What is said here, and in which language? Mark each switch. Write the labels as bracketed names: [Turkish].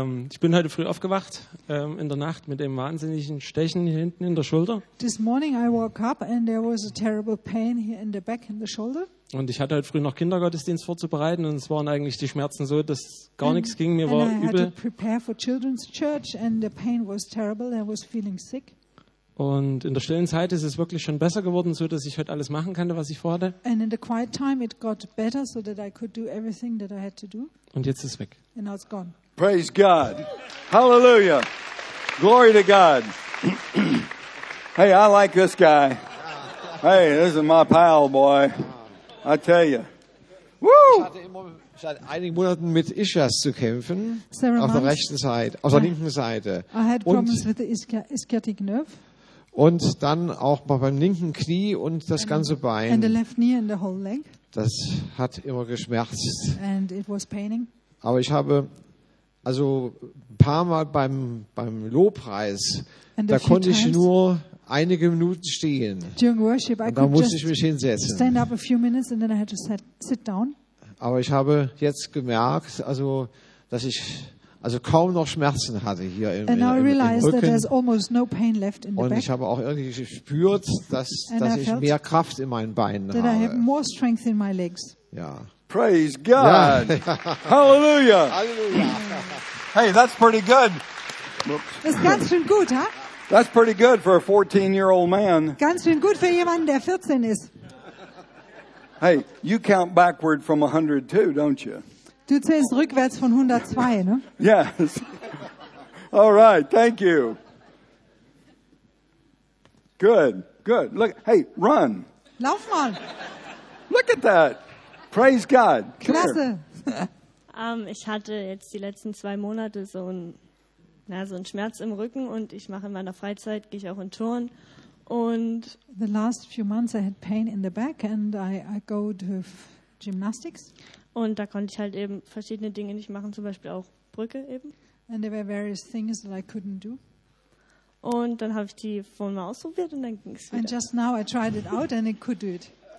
[German] Ich bin heute früh aufgewacht in der Nacht mit dem wahnsinnigen Stechen hier hinten in der Schulter. [English] This morning I woke up and there was a terrible pain here in the back in the shoulder. [German] Und ich hatte heute früh noch Kindergottesdienst vorzubereiten und es waren eigentlich die Schmerzen so, dass gar nichts ging, mir war übel. [English] And I had to prepare for children's church and the pain was terrible. I was feeling sick. [German] Und in der stillen Zeit ist es wirklich schon besser geworden, so dass ich heute alles machen konnte, was ich vorhatte. [English] And in the quiet time it got better so that I could do everything that I had to do. [German] Und jetzt ist es weg. [English] And now it's gone. Praise God. Hallelujah. Glory to God. Hey, I like this guy. Hey, this is my pal, boy. I tell you. Woo! [German] Ich hatte seit einigen Monaten mit Ischias zu kämpfen, auf der rechten Seite, auf der linken Seite. [English] I had problems with the ischiatic nerve. [German] Und dann auch mal beim linken Knie und das ganze Bein. [English] And the left knee and the whole leg. [German] Das hat immer geschmerzt. [English] And it was paining. [German] Aber ich habe... Also ein paar Mal beim Lobpreis, da konnte ich nur einige Minuten stehen. [English] During worship, [German] und da musste ich mich hinsetzen. [English] Stand up a few minutes and then I had to sit down. [German] Aber ich habe jetzt gemerkt, also dass ich also kaum noch Schmerzen hatte hier im Rücken. [English] And now I realize that there's almost no pain left in the [German] und [English] back. [German] Ich habe auch irgendwie gespürt, dass ich mehr Kraft in meinen Beinen [English] that [German] habe. [English] I have more strength in my legs. [German] Ja. [English] Praise God. Ja. Hallelujah. Hey, that's pretty good. [German] Oops. Das ist ganz schön gut, ha? [English] That's pretty good for a 14-year-old man. [German] Ganz schön gut für jemanden, der 14 ist. [English] Hey, you count backward from 102, don't you? [German] Du zählst rückwärts von 102, ne? [English] Yes. All right, thank you. Good, good. Look, hey, run. [German] Lauf mal. [English] Look at that. Praise God. [German] Klasse. Ich hatte jetzt die letzten zwei Monate so einen Schmerz im Rücken und ich mache in meiner Freizeit, gehe ich auch in Turn. Und [English] the last few months I had pain in the back and I go to gymnastics. [German] Und da konnte ich halt eben verschiedene Dinge nicht machen, zum Beispiel auch Brücke eben. [English] And there were various things that I couldn't do. [German] Und dann habe ich die vorhin mal ausprobiert und dann ging es wieder. [English] And just now I tried it out and I could do it.